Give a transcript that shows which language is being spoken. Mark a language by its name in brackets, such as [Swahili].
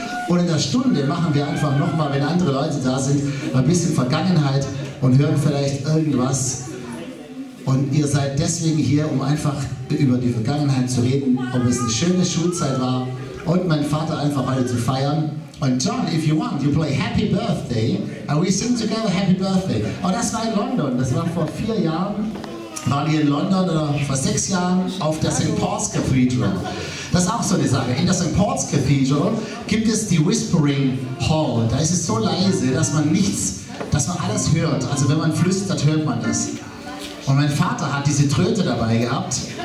[German] Und in der Stunde machen wir einfach nochmal, wenn andere Leute da sind, ein bisschen Vergangenheit und hören vielleicht irgendwas. Und ihr seid deswegen hier, um einfach über die Vergangenheit zu reden, ob es eine schöne Schulzeit war. Und mein Vater einfach heute zu feiern. [English] Und John, if you want, you play Happy Birthday. And we sing together Happy Birthday. [German] Oh, das war in London. Das war vor 4 Jahren. Waren wir in London oder vor 6 Jahren auf der St. Paul's Cathedral. Das ist auch so eine Sache. In der St. Paul's Cathedral gibt es die Whispering Hall. Da ist es so leise, dass man alles hört. Also wenn man flüstert, hört man das. Und mein Vater hat diese Tröte dabei gehabt.